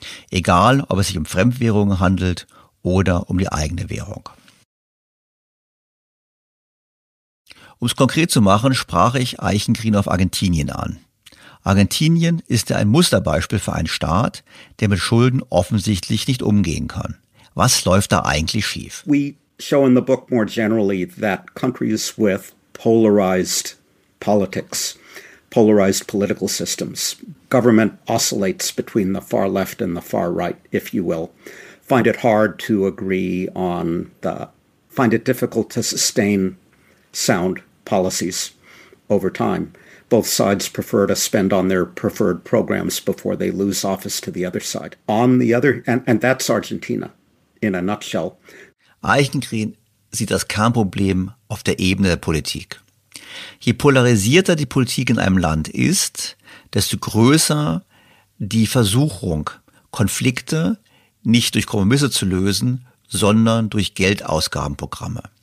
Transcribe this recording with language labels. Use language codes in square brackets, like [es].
[de] Egal, ob es sich um Fremdwährungen handelt oder um die eigene Währung. Um es konkret zu machen, sprach ich Eichengreen auf Argentinien an. Argentinien ist ja ein Musterbeispiel für einen Staat, der mit Schulden offensichtlich nicht umgehen kann. Was läuft da eigentlich schief? [en] We show in the book more generally that countries with polarized politics, polarized political systems, government oscillates between the far left and the far right, if you will, find it hard to agree on the, find it difficult to sustain sound policies over time. Both sides prefer to spend on their preferred programs before they lose office to the other side. On the other, and that's Argentina in a nutshell. [de] Eichengreen sieht das Kernproblem auf der Ebene der Politik. Je polarisierter die Politik in einem Land ist, desto größer die Versuchung, Konflikte nicht durch Kompromisse zu lösen, sondern durch Geldausgabenprogramme.